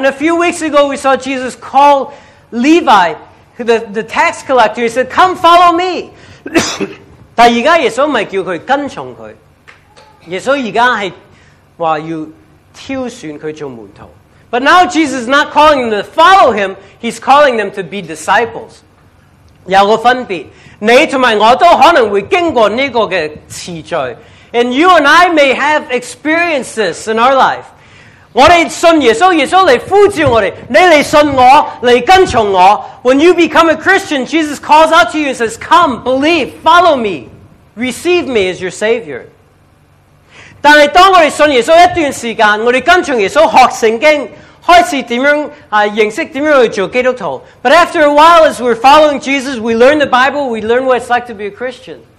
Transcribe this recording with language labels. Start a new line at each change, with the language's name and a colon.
English: And a few weeks ago, we saw Jesus call Levi, the tax collector. He said, come follow me.
Chinese: 但现在耶稣不是叫他跟从他，耶稣现在是说要挑选他做门徒。
English: But now Jesus is not calling them to follow him, he's calling them to be disciples.
Chinese: 有个分别。你和我都可能会经过这个的次序。
English: And you and I may have experienced this in our life.
Chinese: 我们信耶稣，耶稣来呼召我们，你来信我，来跟从我。
English: When you become a Christian, Jesus calls out to you and says, come, believe, follow me, receive me as your Savior.
Chinese: 但是当我们信耶稣一段时间，我们跟从耶稣学圣经， 开始怎样认识怎样去做基督徒。
English: But after a while, as we're following Jesus, we learn the Bible, we learn what it's like to be a Christian.